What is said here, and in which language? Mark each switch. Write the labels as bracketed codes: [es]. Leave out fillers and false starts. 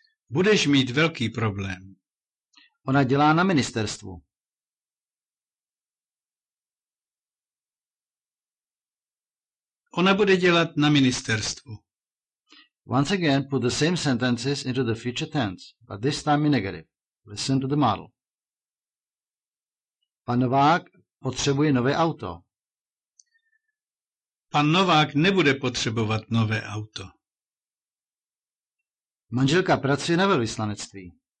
[cs] Budeš mít velký problém. Ona dělá na ministerstvu. Ona bude dělat na ministerstvu. [en] Once again, put the same sentences into the future tense, but this time in negative. Listen to the model. [cs] Pan Novák potřebuje nové auto. Pan Novák nebude potřebovat nové auto. Manželka pracuje na velvyslanectví.